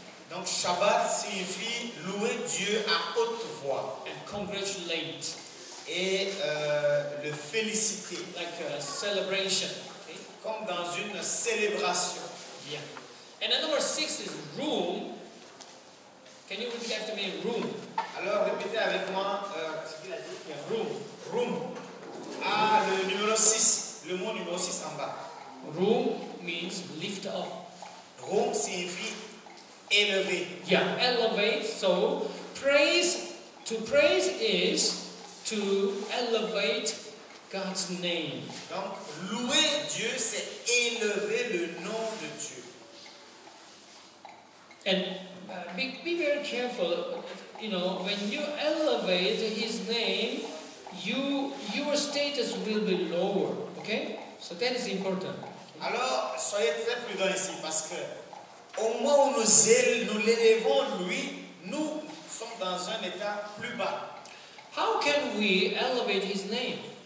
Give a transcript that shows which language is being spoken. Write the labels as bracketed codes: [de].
[fr] Donc Shabbat signifie louer Dieu à haute voix. [en] And congratulate. [fr] Et le féliciter. [en] Like a celebration. Okay. [fr] Comme dans une célébration. Bien. [en] And then number six is room. Can you repeat after me, room? [fr] Alors répétez avec moi ce qu'il a dit. [en] Room. [fr] Room. Ah, le numéro 6. Le mot numéro 6 en bas. [en] Room means lift up. [fr] Room signifie élever. [en] Yeah, elevate. So praise is to elevate God's name. [fr] Donc, louer Dieu, c'est élever le nom de Dieu. [en] And be very careful, you know, when you elevate His name, your status will be lower, okay? So that is important. [fr] Alors, soyez très prudents ici, parce que au moment où nous l'élevons lui, nous sommes dans un état plus bas. [en] How can we elevate His name?